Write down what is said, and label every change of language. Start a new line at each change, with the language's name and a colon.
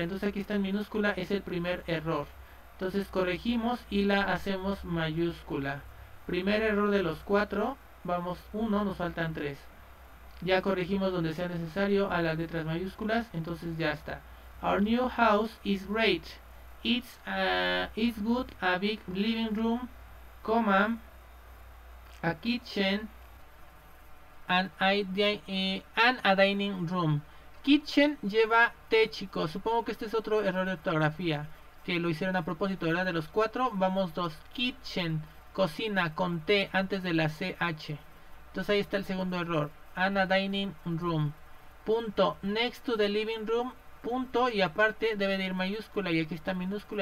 Spanish: Entonces aquí está en minúscula, es el primer error. Entonces corregimos y la hacemos mayúscula. Primer error de los 4, vamos 1, nos faltan 3. Ya corregimos donde sea necesario a las letras mayúsculas, entonces ya está.
English: Our new house is great. It's good, a big living room, comma, a kitchen, and a dining room.
Spanish: Kitchen lleva T, chicos. Supongo que este es otro error de ortografía, que lo hicieron a propósito, ¿verdad? De los 4, vamos 2. Kitchen, cocina, con T antes de la CH. Entonces ahí está el segundo error.
English: And a dining room.
Spanish: Punto.
English: Next to the living room.
Spanish: Punto. Y aparte debe de ir mayúscula. Y aquí está minúscula.